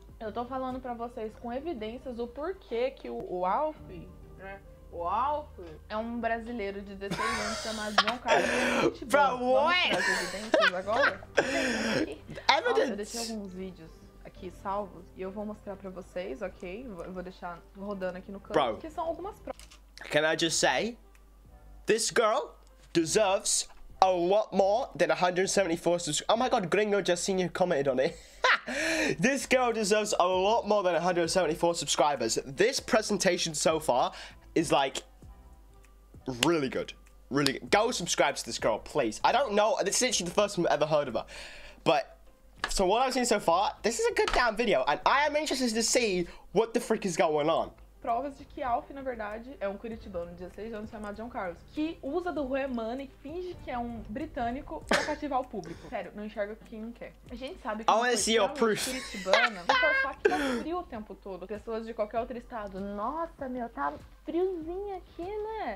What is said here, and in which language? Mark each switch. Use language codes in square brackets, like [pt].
[pt] Eu tô falando pra vocês com evidências o porquê que o Alfie, né? O Alfie é um brasileiro de 16 anos chamado João Carlos. Pra what? Vamos pras evidências agora? [en] Evidence. [pt] Eu deixei alguns vídeos aqui salvos e eu vou mostrar pra vocês, ok? Eu vou deixar rodando aqui no canto. [en] Bro. [pt] Que são algumas provas. [en] Can I just say? This girl deserves a lot more than 174 subscribers. Oh my god, Gringo just seen you commented on it. This girl deserves a lot more than 174 subscribers. This presentation so far is like really good. Really good. Go subscribe to this girl, please. I don't know. This is literally the first time I've ever heard of her. But so what I've seen so far, this is a good damn video. And I am interested to see what the frick is going on. [pt] Provas de que Alf, na verdade, é um curitibano de 16 anos chamado John Carlos, que usa do Rue Money e finge que é um britânico pra cativar o público. Sério, não enxerga quem não quer. A gente sabe que um curitibano curitibana vai forçar que tá frio o tempo todo. Pessoas de qualquer outro estado. Nossa, meu, tá friozinho aqui, né?